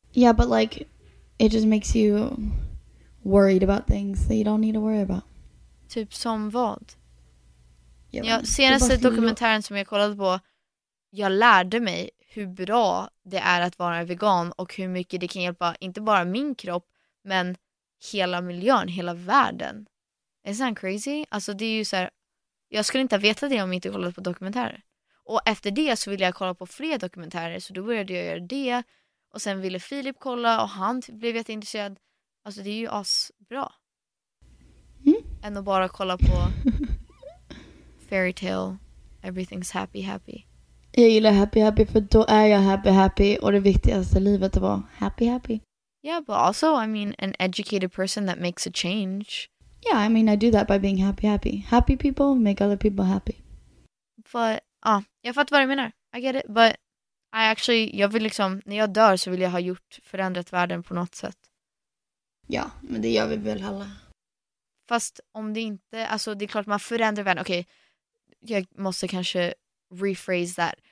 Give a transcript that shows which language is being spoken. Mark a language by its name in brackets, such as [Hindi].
[English] Yeah, but like, it just makes you worried about things that you don't need to worry about. [Swedish] Typ som vad? Ja, senaste dokumentären som jag kollade på, jag lärde mig hur bra det är att vara vegan och hur mycket det kan hjälpa, inte bara min kropp, men hela miljön, hela världen. [English] Isn't that crazy? [Swedish] Alltså det är ju så här, jag skulle inte veta det om jag inte kollat på dokumentärer. Och efter det så ville jag kolla på fler dokumentärer, så då började jag göra det. Och sen ville Filip kolla och han blev jätteintresserad. Alltså det är ju asbra. Mm. Än att bara kolla på [English] fairy tale, everything's happy, happy. [Swedish] Jag gillar happy, happy för då är jag happy, happy. Och det viktigaste i livet var happy, happy. [English] Yeah, but also, I mean, an educated person that makes a change. Yeah, I mean, I do that by being happy, happy. Happy people make other people happy. [Swedish] But, jag fattar vad du menar. [English] I get it. [Swedish] But, jag vill liksom, när jag dör så vill jag ha gjort, förändrat världen på något sätt. Ja, men det gör vi väl alla. Fast om det inte, alltså det är klart man förändrar världen. Okej, jag måste kanske [English] rephrase that.